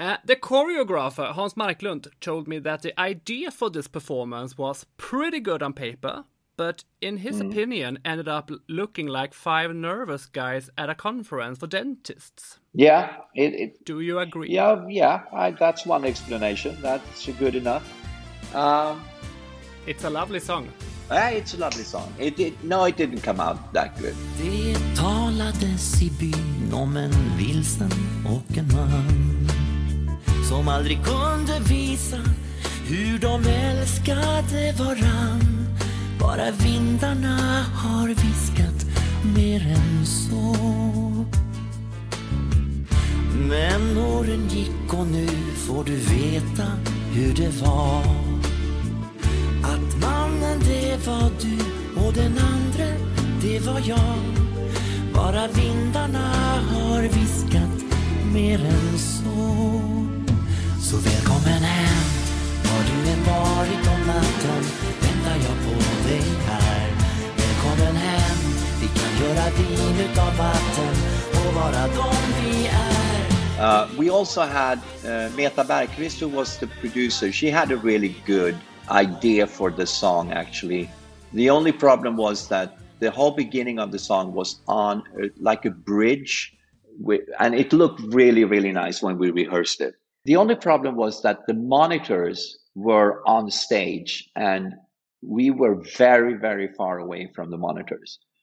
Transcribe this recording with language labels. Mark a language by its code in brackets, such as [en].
[en] The choreographer, Hans Marklund, told me that the idea for this performance was pretty good on paper, but in his opinion, ended up looking like five nervous guys at a conference for dentists. Yeah. It, do you agree? Yeah. That's one explanation. That's good enough. It's a lovely song. It's a lovely song. It didn't come out that good. [sv] Det talades i byn om en vilsen och en man som aldrig kunde visa hur de älskade varann. Bara vindarna har viskat mer än så. Men åren gick och nu får du veta hur det var. Att mannen det var du och den andra det var jag. Bara vindarna har viskat mer än så. Så välkommen hem, har du en varit om natten? Väntar jag på dig här. Välkommen hem, vi kan göra vin utav vatten och vara dom vi är. [en] We also had Meta Bergqvist, who was the producer. She had a really good idea for the song, actually. The only problem was that the whole beginning of the song was on like a bridge. And it looked really, really nice when we rehearsed it. The only problem was that the monitors were on stage and we were very, very far away from the monitors.